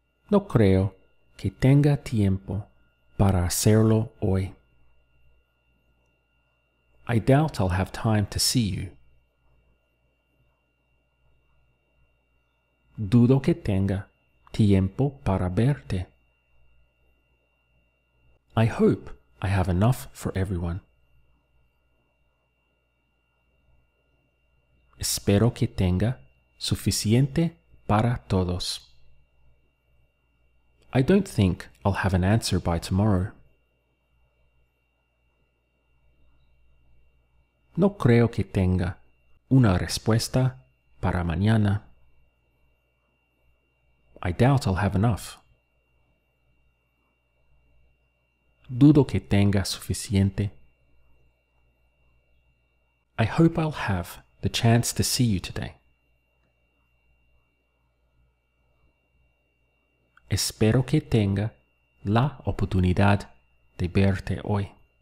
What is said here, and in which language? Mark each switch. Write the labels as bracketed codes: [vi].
[es] No creo que tenga tiempo para hacerlo hoy. [en] I doubt I'll have time to see you. [es] Dudo que tenga tiempo para verte. [en] I hope I have enough for everyone. [es] Espero que tenga suficiente para todos. [en] I don't think I'll have an answer by tomorrow. [es] No creo que tenga una respuesta para mañana. [en] I doubt I'll have enough. [es] Dudo que tenga suficiente. [en] I hope I'll have the chance to see you today. [es] Espero que tenga la oportunidad de verte hoy.